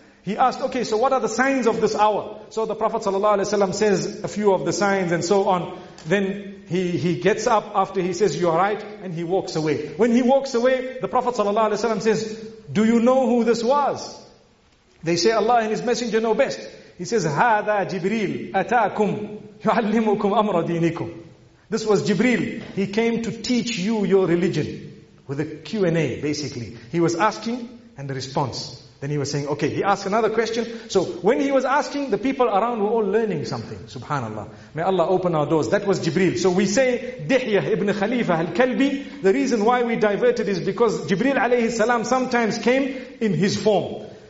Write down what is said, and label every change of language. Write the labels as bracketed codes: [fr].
[en] He asked, okay, so what are the signs of this hour? So the Prophet sallallahu alaihi wasallam says a few of the signs and so on. Then he gets up after he says, you are right, and he walks away. When he walks away, the Prophet sallallahu alaihi wasallam says, do you know who this was? They say, Allah and His Messenger know best. He says, [ar] هذا جبريل أتاكم يعلمكم أمر دينكم. [en] This was Jibril. He came to teach you your religion. With a Q&A, basically. He was asking and the response. Then he was saying, okay, he asked another question. So when he was asking, the people around were all learning something. Subhanallah. May Allah open our doors. That was Jibril. So we say, Dihya ibn Khalifa al-Kalbi. The reason why we diverted is because Jibril alayhi salam sometimes came in his form.